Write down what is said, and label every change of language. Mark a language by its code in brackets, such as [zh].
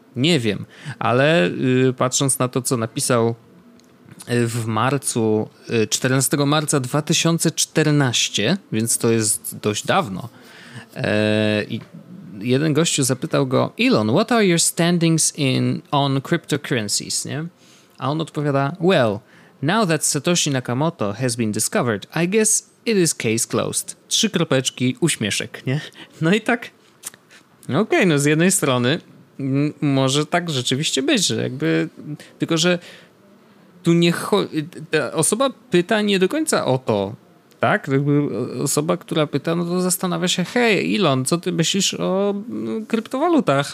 [pl] Nie wiem, ale patrząc na to, co napisał w marcu, 14 marca 2014, więc to jest dość dawno, i jeden gościu zapytał go: Elon, [en] what are your standings on cryptocurrencies? [pl] Nie? A on odpowiada: [en] well, now that Satoshi Nakamoto has been discovered, I guess it is case closed. [pl] Trzy kropeczki, uśmieszek, nie? No i tak, okej, no z jednej strony może tak rzeczywiście być, że jakby, tylko że tu nie chodzi, ta osoba pyta nie do końca o to, tak? Jakby osoba, która pyta, no to zastanawia się: hej, Elon, co ty myślisz o kryptowalutach?